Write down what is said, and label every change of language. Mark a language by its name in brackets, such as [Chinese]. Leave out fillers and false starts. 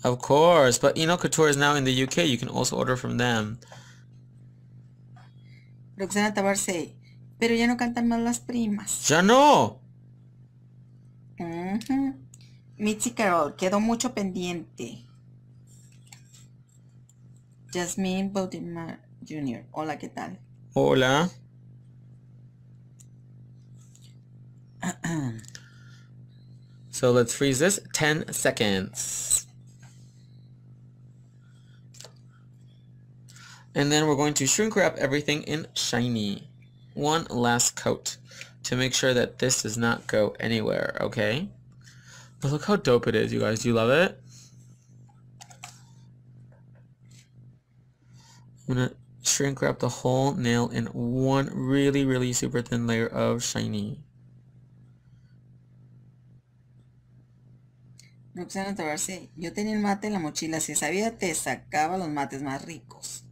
[English] Of course, but you know Couture is now in the UK. You can also order from them. [Spanish] Roxana Tabar say, pero ya no cantan más las primas. Ya no. Mitzi Carol, quedó mucho pendiente. Jasmine Baltimore Jr. Hola, ¿qué tal? Hola. [English] So let's freeze this 10 seconds. And then we're going to shrink wrap everything in shiny. One last coat to make sure that this does not go anywhere, okay? But look how dope it is, you guys. Do you love it? I'm gonna shrink wrap the whole nail in one really, really super thin layer of shiny. [Spanish] Roxana Tavarse, yo tenía el mate en la mochila, si sabía te sacaba los mates más ricos.